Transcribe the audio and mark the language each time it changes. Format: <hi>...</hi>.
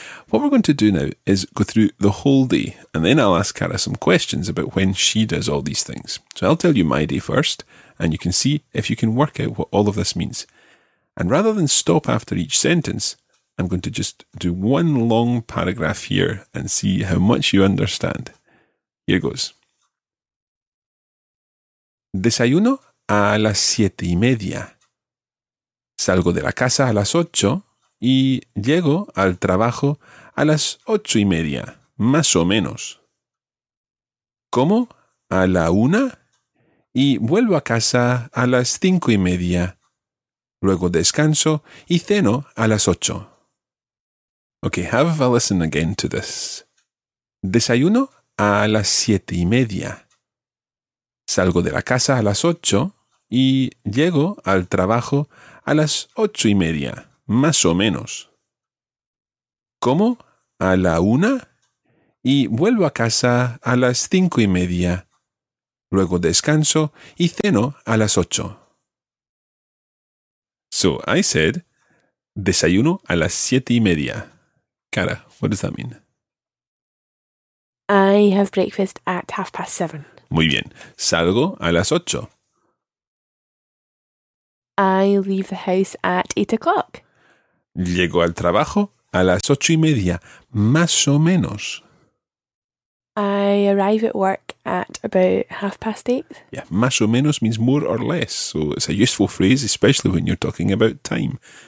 <en>What we're going to do now is go through the whole day, and then I'll ask Cara some questions about when she does all these things. So I'll tell you my day first, and you can see if you can work out what all of this means. And rather than stop after each sentence, I'm going to just do one long paragraph here and see how much you understand. Here goes.</en> <es>Desayuno a las siete y media. Salgo de la casa a las ocho. Y llego al trabajo a las ocho y media, más o menos. Como a la una y vuelvo a casa a las cinco y media. Luego descanso y ceno a las ocho.</es> <en>Okay, have a listen again to this.</en> <es>Desayuno a las siete y media. Salgo de la casa a las ocho y llego al trabajo a las ocho y media. Más o menos. Como a la una y vuelvo a casa a las cinco y media. Luego descanso y ceno a las ocho.</es> <en>So, I said,</en> <es>desayuno a las siete y media.</es> <en>Cara, what does that mean? I have breakfast at 7:30.</en> <es>Muy bien. Salgo a las ocho.</es> <en>I leave the house at 8:00.</en> <es>Llego al trabajo a las ocho y media, más o menos.</es> <en>I arrive at work at about 8:30. Yeah,</en> <es>más o menos</es> <en>means more or less, so it's a useful phrase, especially when you're talking about time.</en>